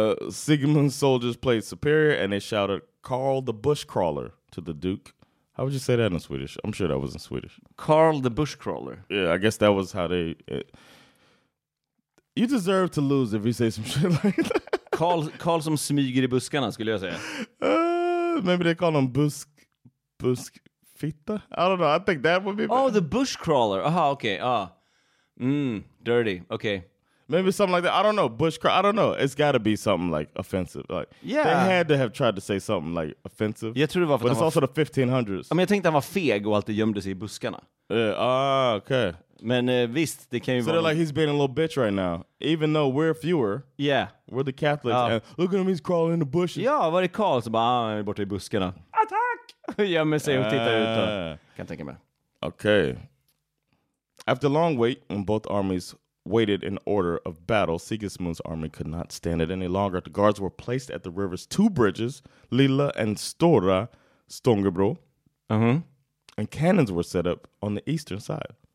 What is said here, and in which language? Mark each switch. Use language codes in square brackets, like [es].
[en] Sigmund's soldiers played superior, and they shouted, "Carl the bush crawler" to the Duke. How would you say that in Swedish? I'm sure that wasn't Swedish. Carl the Bushcrawler. Yeah, I guess that was how they... you deserve to lose if you say some shit like that. [sv] Carl som smyger i buskarna, skulle jag säga. [en] Maybe they call him Buskfitta? I don't know. I think that would be better. Oh, the Bushcrawler. Aha, okay. Dirty. Okay. Maybe something like that. I don't know. Bushcrawler. I don't know. It's got to be something like offensive. Like, yeah. They had to have tried to say something like offensive. [sv] Jag tror det var för [en] but it's also the 1500s. I mean, I think that was [sv] feg och alltid gömde sig i buskarna. [en] Yeah. Ah, okay. [sv] Men visst, det kan ju vara... [en] So they're like, he's being a little bitch right now. Even though we're fewer. Yeah. We're the Catholics. Oh. And look at him, he's crawling in the bushes. [sv] Ja, vad är det Carl? Så bara, han är borta i buskarna. Attack! Gömmer sig och tittar ut. Kan tänka mig. [en] Okay. After long wait, when both armies waited in order of battle, Sigismund's army could not stand it any longer. The guards were placed at the river's two bridges, Lilla and Stora Stångebro. Uh-huh. And cannons were set up on the eastern side.